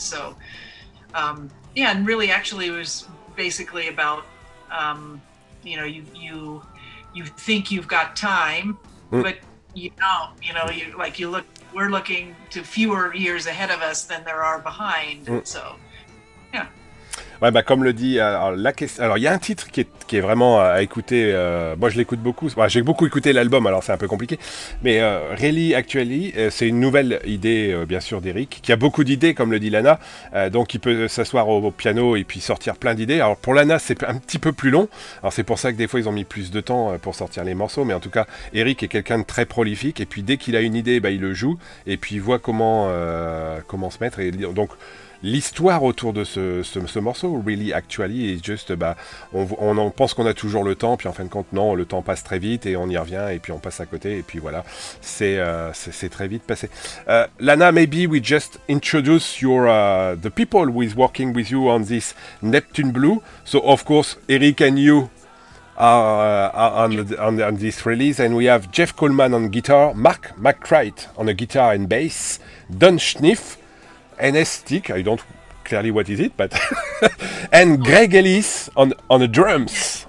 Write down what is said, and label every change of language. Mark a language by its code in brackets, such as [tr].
[en] So, and really actually it was basically about, you think you've got time, but you don't. You know, we're looking to fewer years ahead of us than there are behind. So, yeah. [fr] Ouais, bah, comme le dit la question. Alors, il y a un titre qui est vraiment à écouter. Moi, je l'écoute beaucoup. Bah, j'ai beaucoup écouté l'album, alors c'est un peu compliqué. Mais Really Actually, c'est une nouvelle idée, bien sûr, d'Eric, qui a beaucoup d'idées, comme le dit Lana. Donc, il peut s'asseoir au piano et puis sortir plein d'idées. Alors, pour Lana, c'est un petit peu plus long. Alors, c'est pour ça que des fois, ils ont mis plus de temps pour sortir les morceaux. Mais en tout cas, Eric est quelqu'un de très prolifique. Et puis, dès qu'il a une idée, bah, il le joue. Et puis, il voit comment se mettre. Et donc, l'histoire autour de ce morceau, Really Actually, est juste, on pense qu'on a toujours le temps, puis en fin de compte, non, le temps passe très vite, et on y revient, et puis on passe à côté, et puis voilà, c'est très vite passé. [en] Lana, maybe we just introduce the people who is working with you on this Neptune Blue. So, of course, Eric and you are on this release, and we have Jeff Coleman on guitar, Mark McCright on a guitar and bass, Don Schniff, NS Stick, I don't clearly what is it, but and Greg Ellis on the drums.